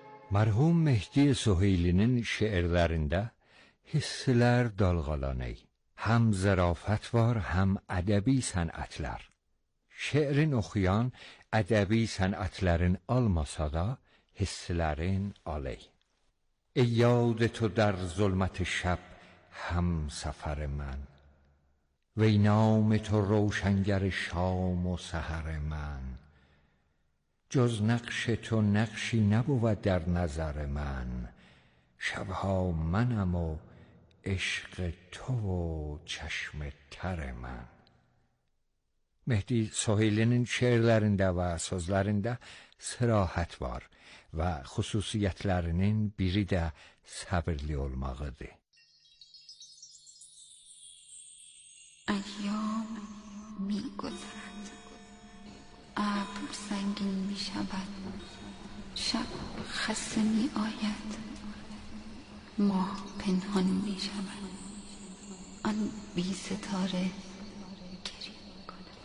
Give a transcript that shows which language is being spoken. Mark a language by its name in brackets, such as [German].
[Turkish] Merhum Mehdi Suheyli'nin şiirlerinde hisler dalgalanır. Hem zarafet var hem edebi sanatlar. Şiirin okuyan edebi sanatların almasa da hislerin alır. [Persian] Ey yad تو در ظلمت شب هم سفر من، وی نام تو روشنگر شام و سحر من. جز نقش تو نقشی نبود در نظر من، شبها منم و عشق تو و چشم تر من. [Azerbaijani] مهدی سهیلی‌نین شعرلرینده و سوزلرینده صراحت وار و خصوصیتلرینین بیری ده صبرلی اولماغیدی. [Persian] ایام میگذرد، ابر سنگین میشود، شب خسته میآید، ماه پنهان میشود، آن بی ستاره گریه میکند.